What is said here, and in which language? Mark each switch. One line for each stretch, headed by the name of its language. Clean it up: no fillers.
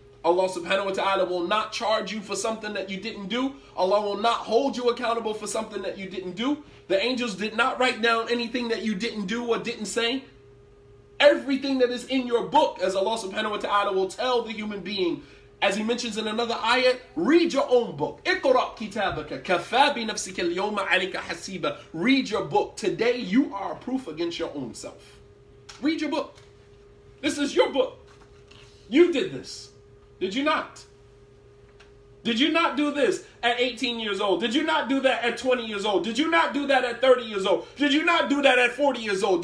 English: Allah subhanahu wa ta'ala will not charge you for something that you didn't do. Allah will not hold you accountable for something that you didn't do. The angels did not write down anything that you didn't do or didn't say. Everything that is in your book, as Allah subhanahu wa ta'ala will tell the human being, as He mentions in another ayah, read your own book.
Arabic: اقرأ كتابك كفى بنفسك اليوم عليك حسيبا.
English: Read your book. Today you are a proof against your own self. Read your book. This is your book. You did this. Did you not? Did you not do this at 18 years old? Did you not do that at 20 years old? Did you not do that at 30 years old? Did you not do that at 40 years old?